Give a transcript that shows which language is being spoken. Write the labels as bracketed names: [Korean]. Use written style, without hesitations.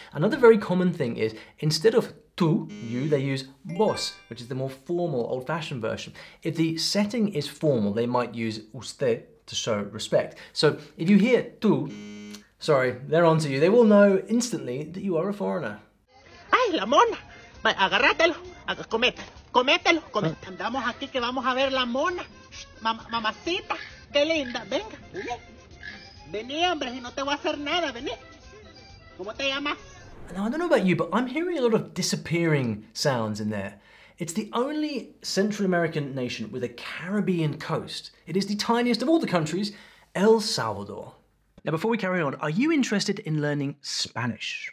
[English] Another very common thing is, instead of tú, you, they use vos, which is the more formal, old-fashioned version. If the setting is formal, they might use usted to show respect. So if you hear tú, sorry, they're onto you. They will know instantly that you are a foreigner. [Spanish] Ay, la mona. Vai, agarrátelo. Comételo. Andamos aquí que vamos a ver la mona. Mamacita, qué linda. Venga. Vení, hombre, si no te voy a hacer nada. Vení. ¿Cómo te llamas? [English] Now, I don't know about you, but I'm hearing a lot of disappearing sounds in there. It's the only Central American nation with a Caribbean coast. It is the tiniest of all the countries, El Salvador. Now, before we carry on, are you interested in learning Spanish?